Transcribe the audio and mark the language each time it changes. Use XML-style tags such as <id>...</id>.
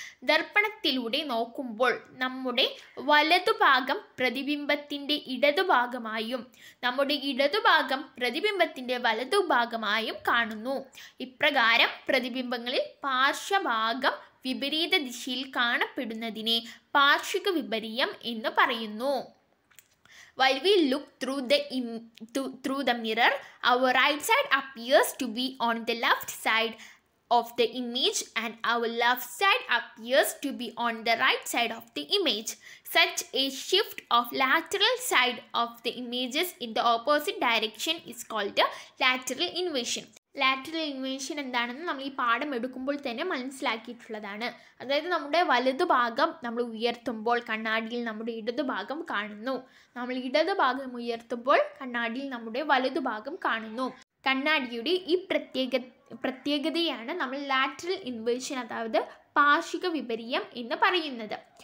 <ml>ദർപ്പണത്തിലൂടെ നോക്കുമ്പോൾ നമ്മുടെ വലതുഭാഗം പ്രതിബിംബത്തിൻ്റെ ഇടതുഭാഗമായും നമ്മുടെ ഇടതുഭാഗം പ്രതിബിംബത്തിൻ്റെ വലതുഭാഗമായും കാണുന്നു. ഇപ്രകാരം പ്രതിബിംബങ്ങളിൽ പാർശ്വഭാഗം വിപരീത ദിശയിൽ കാണപ്പെടുന്നതിനെ പാർശ്വിക വിപരീയം എന്ന് പറയുന്നു.</ml> <en>While we look through the mirror, our right side appears to be on the left side of the image and our left side appears to be on the right side of the image. Such a shift of lateral side of the images in the opposite direction is called the lateral inversion.</en> <ml>Lateral inversion എന്താണെന്ന് നമ്മൾ ഈ പാഠം എടുക്കുമ്പോൾ തന്നെ മനസ്സിലാക്കിയിട്ടുള്ളതാണ്. അതായത് നമ്മുടെ വലതുഭാഗം നമ്മൾ ഉയർത്തുമ്പോൾ കണ്ണാടിയിൽ നമ്മുടെ ഇടതുഭാഗം കാണുന്നു. നമ്മൾ ഇടതുഭാഗം ഉയർത്തുമ്പോൾ കണ്ണാടിയിൽ നമ്മുടെ വലതുഭാഗം കാണുന്നു. കണ്ണാടിയുടെ ഈ പ്രത്യേകതയാണ് നമ്മൾ ലാറ്ററൽ ഇൻവേർഷൻ അതായത് പാർശ്വിക വിപരീയം എന്ന് പറയുന്നത്.</ml>